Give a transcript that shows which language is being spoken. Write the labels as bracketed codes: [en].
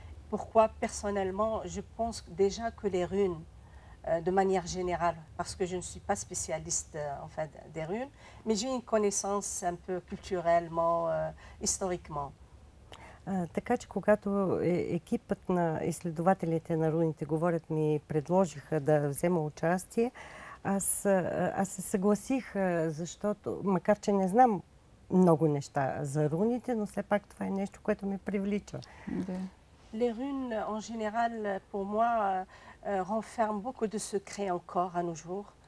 [fr] Pourquoi personnellement, je pense déjà que les runes de manière générale, parce que je ne suis pas spécialiste en fait des runes, mais j'ai une connaissance un peu culturellement, historiquement. [bg] Така че когато екипът на изследователите на руните говорят ми предложиха да взема участие, аз се съгласих, защото макар че не знам много неща за руните, но все пак това е нещо, което ме привлича. Да. [fr] Les runes en général pour moi renferme beaucoup de secrets encore à nos jours.